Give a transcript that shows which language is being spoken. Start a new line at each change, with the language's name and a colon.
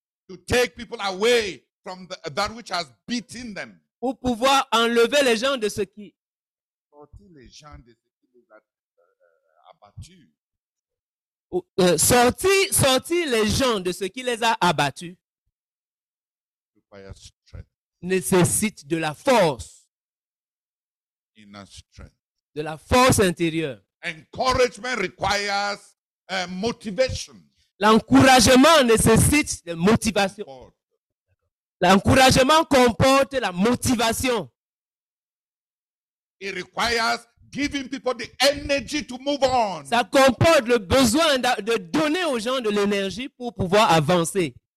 English: To take people away from that which has beaten them.
French: Pour pouvoir enlever les gens de ce qui. Sortir les gens de ce qui les a abattus. Sortir les gens de ce qui les a abattus nécessite de la force.
English: Inner strength.
French: De la force intérieure.
English: Encouragement requires motivation.
French: L'encouragement nécessite de motivation. L'encouragement comporte la motivation.
English: It requires giving people the energy to move on.
French: Ça comporte le besoin de donner aux gens de l'énergie pour pouvoir avancer.